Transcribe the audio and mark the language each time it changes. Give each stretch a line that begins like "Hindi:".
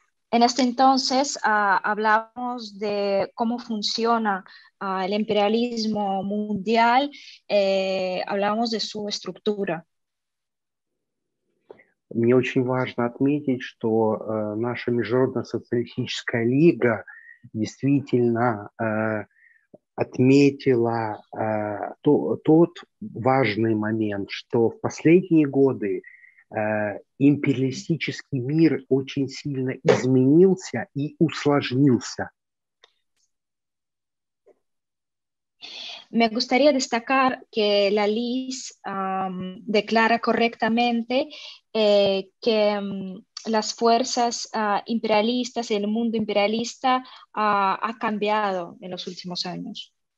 Spanish: En este entonces hablamos de cómo funciona el imperialismo mundial, hablamos de su estructura.
Russian: Мне очень важно отметить, что наша международно-социалистическая лига действительно отметила тот важный момент, что в последние годы империалистический мир очень сильно изменился и усложнился.
Spanish: Me gustaría destacar que la LIS declara correctamente que las fuerzas imperialistas y el mundo imperialista ha cambiado en los últimos años.